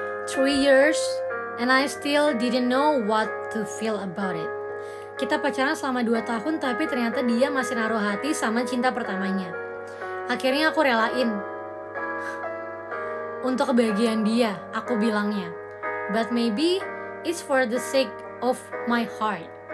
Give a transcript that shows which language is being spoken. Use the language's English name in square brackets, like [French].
[English] 3 years and I still didn't know what to feel about it. [Indonesian] Kita pacaran selama 2 tahun, tapi ternyata dia masih naruh hati sama cinta pertamanya. Akhirnya aku relain untuk kebahagiaan dia, aku bilangnya. [English] But maybe it's for the sake of my heart.